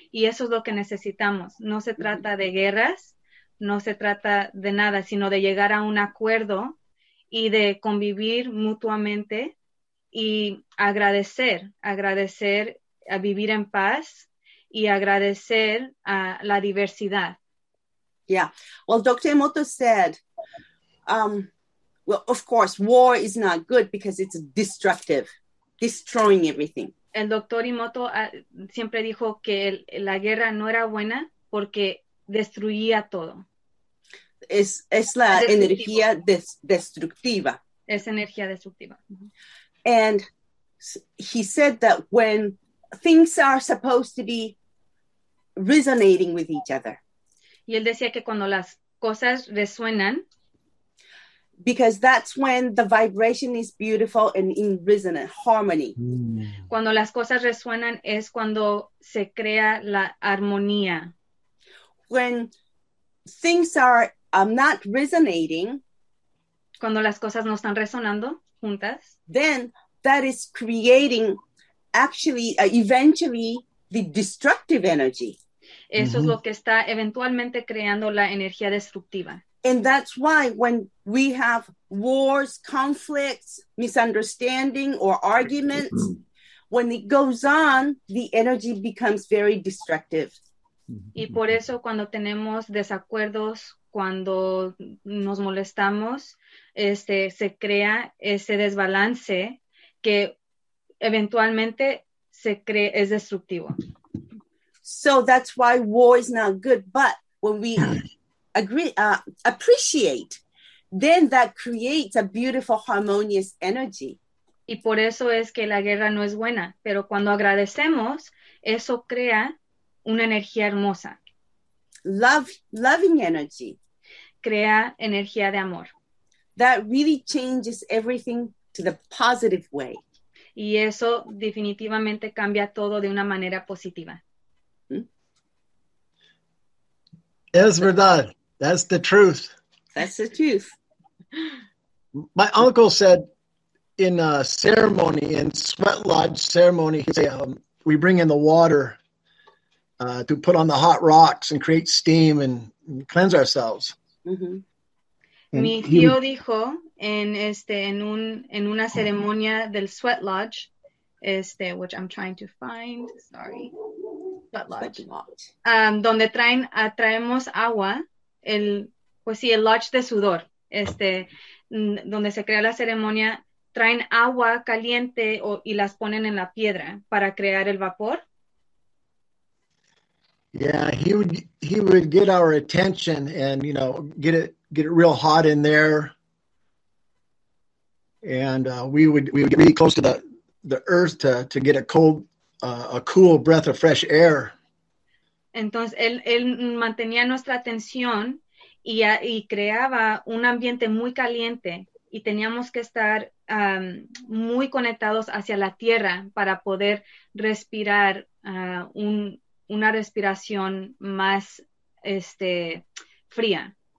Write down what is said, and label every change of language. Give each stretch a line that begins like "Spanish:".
Spanish: Y eso es lo que necesitamos. No se trata de guerras, no se trata de nada, sino de llegar a un acuerdo y de convivir mutuamente y agradecer a vivir en paz. Y agradecer a la diversidad.
English: Yeah. Well, Dr. Emoto said, of course, war is not good because it's destructive, destroying everything.
Spanish: El Dr. Emoto siempre dijo que la guerra no era buena porque destruía todo. Es la destructivo. Energía destructiva. Es energía destructiva.
English: And he said that when things are supposed to be resonating with each other.
Spanish: Y él decía que cuando las cosas resuenan,
English: because that's when the vibration is beautiful and in resonant harmony.
Spanish: Cuando las cosas resuenan es cuando se crea la armonía.
English: When things are not resonating,
Spanish: cuando las cosas no están resonando juntas,
English: then that is creating actually eventually the destructive energy.
Spanish: Eso es lo que está eventualmente creando la energía destructiva.
English: And that's why when we have wars, conflicts, misunderstanding or arguments, when it goes on, the energy becomes very destructive.
Spanish: Y por eso cuando tenemos desacuerdos, cuando nos molestamos, se crea ese desbalance que eventualmente es destructivo.
English: So that's why war is not good. But when we agree, appreciate, then that creates a beautiful, harmonious energy.
Spanish: Y por eso es que la guerra no es buena. Pero cuando agradecemos, eso crea una energía hermosa.
English: Loving energy.
Spanish: Crea energía de amor.
English: That really changes everything to the positive way.
Spanish: Y eso definitivamente cambia todo de una manera positiva.
English: Es verdad. That's the truth. That's the truth. My uncle said in a ceremony, in Sweat Lodge ceremony, he said, we bring in the water to put on the hot rocks and create steam and cleanse ourselves.
Spanish: Mm-hmm. Mi tío dijo en una ceremonia del Sweat Lodge, which I'm trying to find, sorry.
English: Sweat Lodge.
Spanish: Donde traemos agua, el lodge de sudor, donde se crea la ceremonia, traen agua caliente y las ponen en la piedra para crear el vapor.
English: Yeah, he would get our attention and, you know, get it real hot in there. And we would be close to the earth to get a cold, a cool breath of fresh air.
Spanish: Entonces, él mantenía nuestra atención y creaba un ambiente muy caliente y teníamos que estar muy conectados hacia la tierra para poder respirar una respiración más fría.